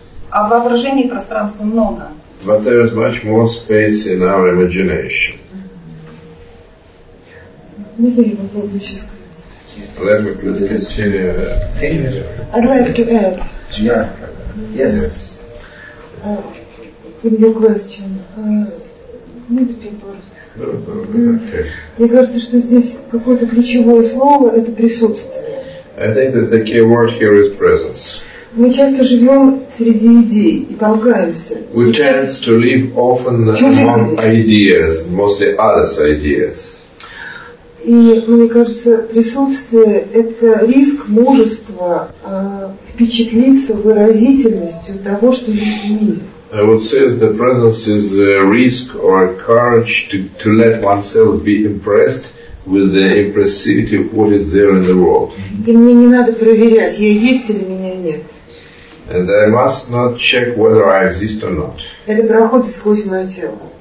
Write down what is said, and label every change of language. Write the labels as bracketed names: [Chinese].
[Russian] А воображений пространства много. [English] But there is much more space in our imagination. Let me please continue. I'd like to add. Yeah. Yes. In your question, many people [Russian] Мне кажется, что здесь какое-то ключевое слово – это присутствие. [English] I think that the key word here is presence. [Russian] Мы часто живем среди идей и толкаемся. [English] We tend to live often among ideas, mostly others' ideas. [Russian] И мне кажется, присутствие – это риск, мужество впечатлиться выразительностью того, что есть в мире. [English] I would say that the presence is a risk or a courage to let oneself be impressed with the impressivity of what is there in the world. [Russian] И мне не надо проверять, я есть или меня нет. [English] And I must not check whether I exist or not. [Russian] Это проходит сквозь мое тело.